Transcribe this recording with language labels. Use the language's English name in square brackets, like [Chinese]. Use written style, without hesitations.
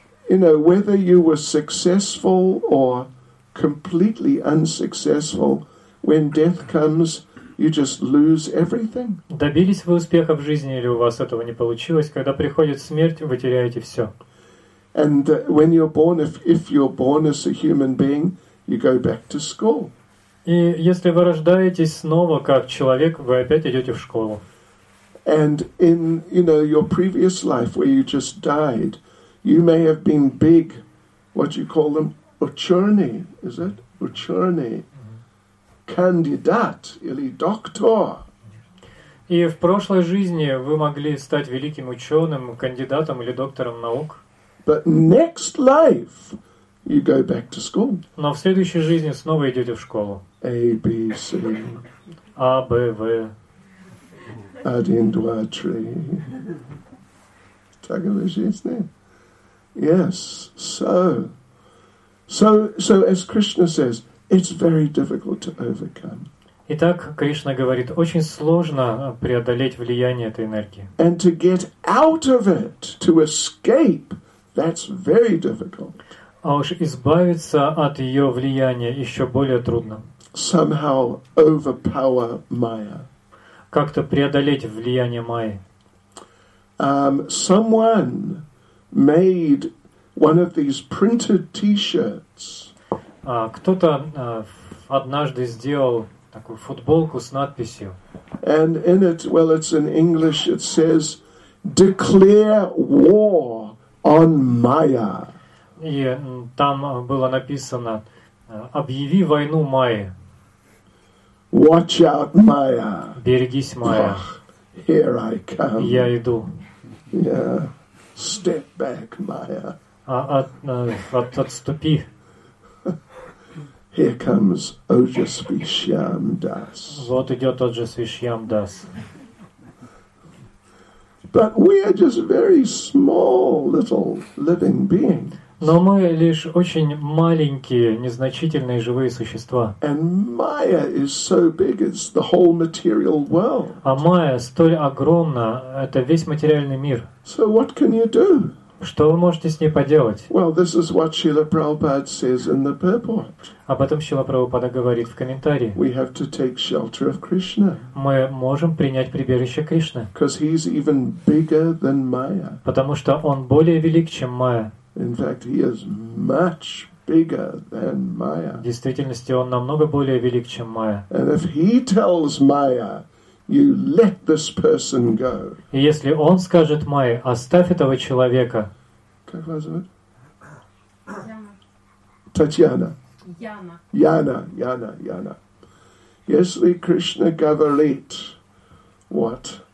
[English] You know, whether you were successful or completely unsuccessful, when death comes, you just lose everything. [Russian] Добились вы успеха в жизни или у вас этого не получилось, когда приходит смерть, вы теряете все. [English] And when you're born, if you're born as a human being, you go back to school. [Russian] И если вы рождаетесь снова как человек, вы опять идете в школу. [English] And in, you know, your previous life where you just died, you may have been big, what you call them, ucherni, is it? [Russian] Ucherni. Кандидат или доктор. И в прошлой жизни вы могли стать великим ученым, кандидатом или доктором наук. [English] But next life, you go back to school. [Russian] Но в следующей жизни снова идете в школу. [English] A, B, C. [Russian] A, B, V. 1, 2, 3. Так и в жизни. [English] Yes, so as Krishna says, it's very difficult to overcome. [Russian] Итак, Кришна говорит, очень сложно преодолеть влияние этой энергии. [English] And to get out of it, to escape, that's very difficult. [Russian] А уж избавиться от ее влияния еще более трудно. [English] Somehow overpower Maya. [Russian] Как-то преодолеть влияние Майи. [English] Someone made one of these printed T-shirts. [Russian] Кто-то однажды сделал такую футболку с надписью. [English] And in it, well, it's in English, it says, "Declare war on Maya." [Russian] И там было написано, объяви войну Майе. [English] Watch out, Maya. [Russian] Берегись, Майя. Oh, [English] here I come. [Russian] Я иду. [English] Yeah. Step back, Maya. [Russian] Отступи. [English] Here comes Ojasvi Shyam Das. [Russian] Вот идет Ojasvi Shyam Das. [English] But we are just very small little living beings. [Russian] Но мы лишь очень маленькие, незначительные живые существа. [English] And Maya is so big, it's the whole material world. [Russian] А Майя столь огромна, это весь материальный мир. [English] So what can you do? [Russian] Что вы можете с ней поделать? [English] Well, this is what Srila Prabhupada says in the purport. [Russian] Об этом Шрила Прабхупада говорит в комментарии. [English] We have to take shelter of Krishna. [Russian] Мы можем принять прибежище Кришны. [English] Because he's even bigger than Maya. [Russian] Потому что он более велик, чем Майя. [English] In fact, he is much bigger than Maya. [Russian] В действительности он намного более велик, чем Майя. [English] And if he tells Maya, you let this person go. [Russian] И если он скажет Майе, оставь этого человека. Как вас зовут? Татьяна. Яна. Если Кришна говорит, what?